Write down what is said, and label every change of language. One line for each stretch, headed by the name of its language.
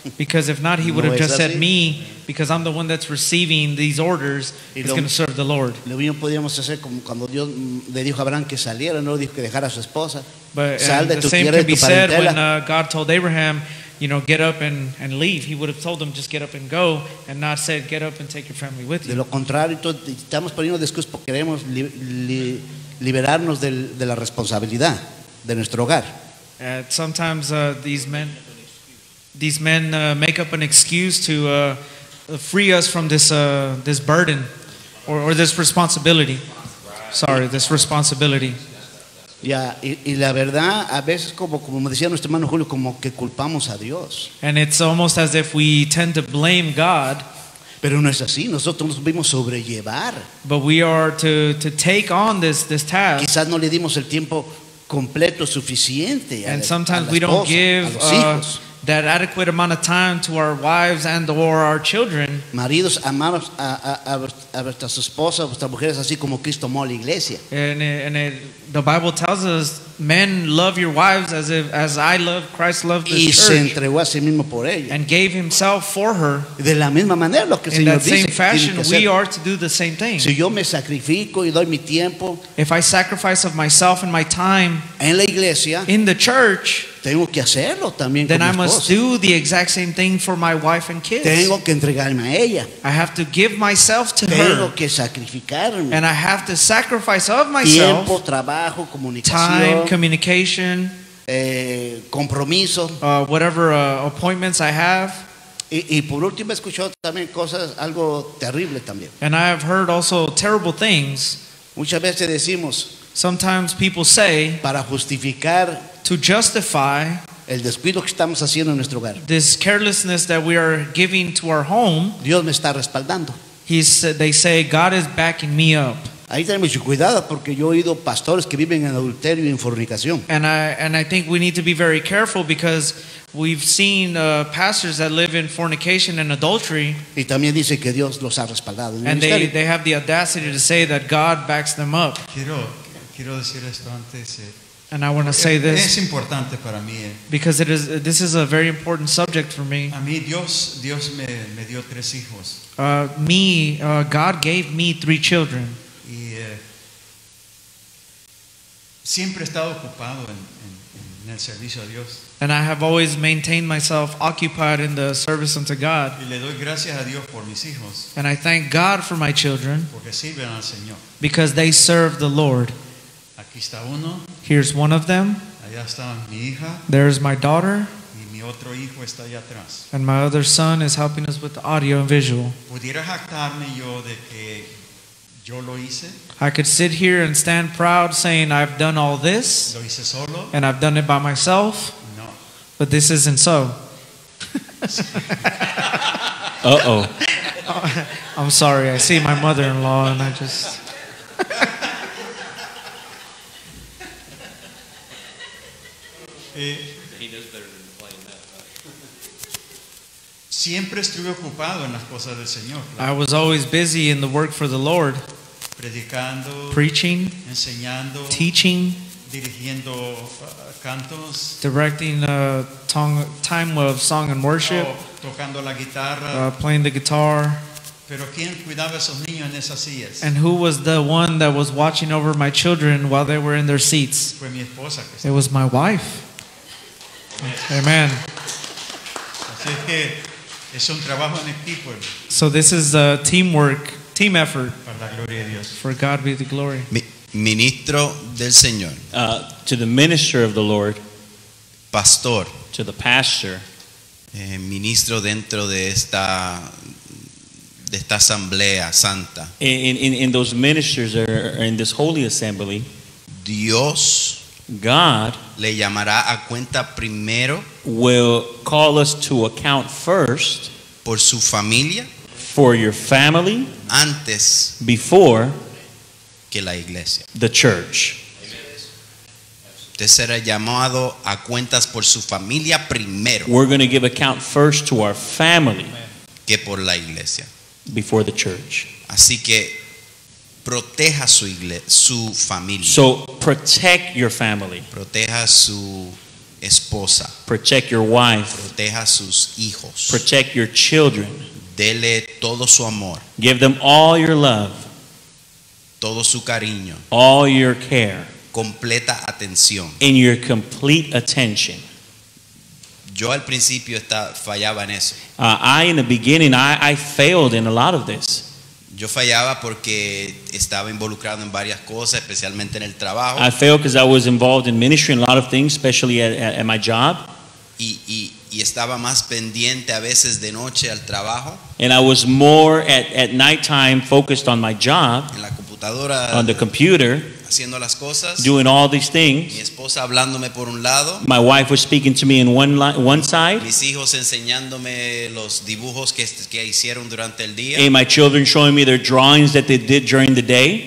English: Because if not, he would have just said me, because I'm the one that's receiving these orders, is going to serve the Lord.
Spanish: Lo mismo podríamos hacer como cuando Dios le dijo a Abraham que saliera, no le dijo que dejara a su esposa.
English: But
Spanish: sal de tu tierra, de tu parentela.
English: The same could be said when God told Abraham, you know, get up and leave. He would have told them just get up and go, and not said get up and take your family with you.
Spanish: De lo contrario, estamos poniendo excusas porque queremos liberarnos de la responsabilidad de nuestro hogar.
English: Sometimes these men make up an excuse to free us from this burden or this responsibility. Sorry, this responsibility.
Spanish: Ya, y la verdad, a veces como decía nuestro hermano Julio, como que culpamos a Dios.
English: And it's almost as if we tend to blame God.
Spanish: Pero no es así, nosotros nos vimos sobrellevar.
English: But we are to take on this task.
Spanish: Quizás no le dimos el tiempo completo suficiente.
English: And sometimes we don't give that adequate amount of time to our wives and or our children.
Spanish: Maridos, amados a vuestras esposas, a vuestras mujeres, así como Cristo amó a la iglesia.
English: And the Bible tells us, men love your wives as I love, Christ loved the
Spanish: y
English: church.
Spanish: Y se entregó a sí mismo por ella.
English: And gave himself for her.
Spanish: De la misma manera, lo que el Señor dice.
English: In that same fashion, we are to do the same thing.
Spanish: Si yo me sacrifico y doy mi tiempo.
English: If I sacrifice of myself and my time.
Spanish: En la iglesia.
English: In the church.
Spanish: Tengo que hacerlo también.
English: Then I must do the exact same thing for my wife and kids.
Spanish: Tengo que entregarme a ella.
English: I have to give myself to
Spanish: tengo
English: her.
Spanish: Tengo que sacrificarme.
English: And I have to sacrifice of myself.
Spanish: Tiempo, trabajo, comunicación.
English: Time, communication.
Spanish: Compromiso.
English: Whatever appointments I have.
Spanish: Y por último he escuchado también cosas, algo terrible también.
English: And I have heard also terrible things.
Spanish: Muchas veces decimos.
English: Sometimes people say.
Spanish: Para justificar.
English: To justify
Spanish: el descuido que estamos haciendo en nuestro hogar.
English: This carelessness that we are giving to our home,
Spanish: Dios me está respaldando.
English: They say God is backing me up.
Spanish: Ahí tenemos cuidado porque yo he oído pastores que viven en adulterio y en fornicación.
English: And I think we need to be very careful because we've seen pastors that live in fornication and adultery.
Spanish: Y también dice que Dios los ha respaldado.
English: And they have the audacity to say that God backs them up.
Spanish: Quiero decir esto antes.
English: And I want to say this
Spanish: es importante para mí,
English: because this is a very important subject for me.
Spanish: A mí Dios me dio tres hijos.
English: God gave me three children.
Spanish: Y siempre he estado ocupado en el servicio a Dios.
English: And I have always maintained myself occupied in the service unto God.
Spanish: Y le doy gracias a Dios por mis hijos.
English: And I thank God for my children.
Spanish: Porque sirven al Señor.
English: Because they serve the Lord.
Spanish: Aquí está uno.
English: Here's one of them.
Spanish: Allá está mi hija.
English: There's my daughter.
Spanish: Y mi otro hijo está allá atrás.
English: And my other son is helping us with the audio and visual.
Spanish: ¿Pudiera jactarme yo de que yo lo hice?
English: I could sit here and stand proud saying I've done all this.
Spanish: Lo hice solo.
English: And I've done it by myself.
Spanish: No.
English: But this isn't so. Uh-oh. I'm sorry. I see my mother-in-law and I just...
Spanish: Siempre estuve ocupado en las cosas del Señor.
English: I was always busy in the work for the Lord.
Spanish: Predicando,
English: preaching,
Spanish: enseñando,
English: teaching,
Spanish: dirigiendo cantos,
English: directing a time of song and worship,
Spanish: tocando la guitarra,
English: playing the guitar.
Spanish: Pero ¿quién cuidaba esos niños en esas sillas?
English: And who was the one that was watching over my children while they were in their seats?
Spanish: Fue mi esposa.
English: It was my wife. Amen.
Spanish: Así es que es un trabajo en equipo.
English: So this is teamwork. team effort.
Spanish: Para la gloria de Dios.
English: For God be the glory.
Spanish: Ministro del Señor.
English: To the minister of the Lord.
Spanish: Pastor.
English: To the pastor.
Spanish: Ministro dentro de esta asamblea santa.
English: In those ministers that are in this holy assembly.
Spanish: Dios.
English: God.
Spanish: Le llamará a cuenta primero.
English: Will call us to account first.
Spanish: Por su familia.
English: For your family.
Spanish: Antes.
English: Before.
Spanish: Que la iglesia.
English: The church.
Spanish: Usted será llamado a cuentas por su familia primero.
English: We're going to give account first to our family.
Spanish: Que por la iglesia.
English: Before the church.
Spanish: Así que proteja su iglesia, su familia.
English: So protect your family.
Spanish: Proteja su esposa.
English: Protect your wife.
Spanish: Proteja sus hijos.
English: Protect your children.
Spanish: Dele todo su amor.
English: Give them all your love.
Spanish: Todo su cariño.
English: All your care.
Spanish: Completa atención.
English: In your complete attention.
Spanish: Yo al principio fallaba en eso.
English: In the beginning I failed in a lot of this.
Spanish: Yo fallaba porque estaba involucrado en varias cosas, especialmente en el trabajo.
English: I failed because I was involved in ministry in a lot of things, especially at my job.
Spanish: Y estaba más pendiente a veces de noche al trabajo.
English: And I was more at nighttime focused on my job.
Spanish: En la computadora.
English: On the computer.
Spanish: Haciendo las cosas.
English: Doing all these things.
Spanish: Mi esposa hablándome por un lado.
English: My wife was speaking to me in one side.
Spanish: Mis hijos enseñándome los dibujos que hicieron durante el día.
English: And my children showing me their drawings that they did during the day.